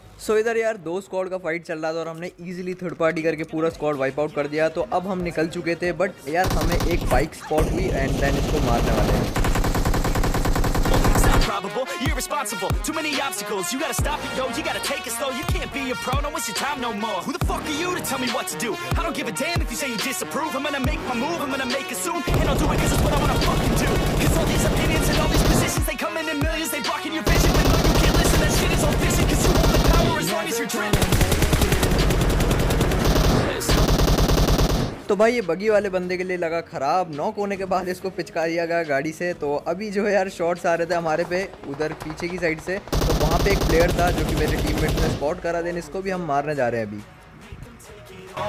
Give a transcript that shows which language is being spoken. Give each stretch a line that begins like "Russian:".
Hindi: तो इधर यार दो स्क्वाड का फाइट चल रहा था, और हमने इजीली थर्ड पार्टी करके पूरा स्क्वाड वाइप आउट कर दिया। तो अब हम निकल चुके थे, बट यार हमें एक बाइक स्पॉट हुई एंड देन इसको मारने वाले हैं।
English: You're responsible, too many obstacles. You gotta stop it, yo, you gotta take it slow. You can't be a pro, no, it's your time no more. Who the fuck are you to tell me what to do? I don't give a damn if you say you disapprove. I'm gonna make my move, I'm gonna make it soon. And I'll do it cause it's what I wanna fucking do. Cause all these opinions and all these positions, they come in millions, they blocking your vision. But no, you can't listen, that shit is all fiction. Cause you hold the power as long as you're dreaming.
Hindi: तो भाई ये बगी वाले बंदे के लिए लगा खराब, नॉक होने के बाद इसको पिचका दिया गया गाड़ी से। तो अभी जो है यार शॉट्स आ रहे थे हमारे पे उधर पीछे की साइड से, तो वहाँ पे एक प्लेयर था जो कि मेरे टीममेट ने स्पॉट करा दिया, इसको भी हम मारने जा रहे हैं अभी।